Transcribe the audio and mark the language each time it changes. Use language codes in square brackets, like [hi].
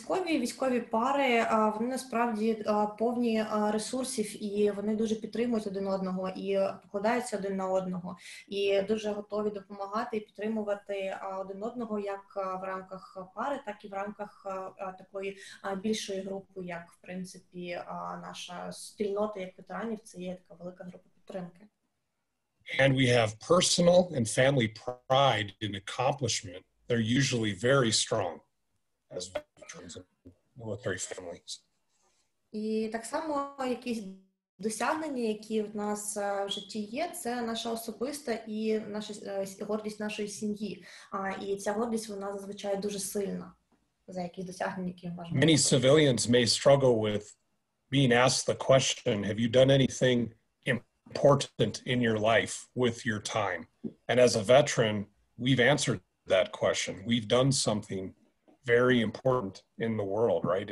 [uk] Військові пари, вони насправді повні ресурсів, і вони дуже підтримують один одного, і покладаються один на одного, і дуже готові допомагати і підтримувати один одного, як в рамках пари, так і в рамках такої більшої групи, як, в принципі, наша спільнота, як ветеранів, це є така велика група підтримки. [en] And we have personal and family pride in accomplishment. They're usually very strong. As veterans and military families. [uk] І так само якісь досягнення, які в нас в житті є, це наша особиста і наша гордість нашої сім'ї. І ця гордість вона зазвичай дуже сильна за якісь досягнення, які важливі. [en] Many civilians may struggle with being asked the question, have you done anything important in your life with your time? And as a veteran, we've answered that question. We've done something very important in the world, right?